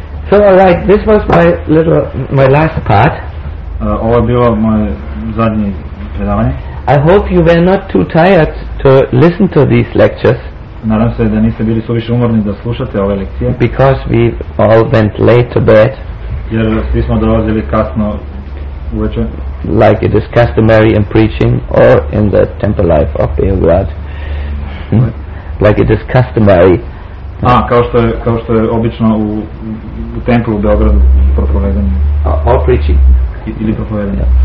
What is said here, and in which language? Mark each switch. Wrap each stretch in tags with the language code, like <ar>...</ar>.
<en>So alright, this was my last part.</en> <sr>Ovo je bilo moje zadnje predavanje.</sr> <en>I hope you were not too tired to listen to these lectures.</en> <sr>Nadam se da niste bili suviše umorni da slušate ove lekcije.</sr> <en>Because we all went late to bed.</en> <sr>Jer svi smo dolazili kasno uveče.</sr> <en>Like it is customary in preaching or in the temple life of Beograd. Like it is customary.</en> <sr>Kao što je obično u templu u Beogradu propovedanje.</sr> <en>Or preaching.</en> <sr>Ili propovedanje.</sr>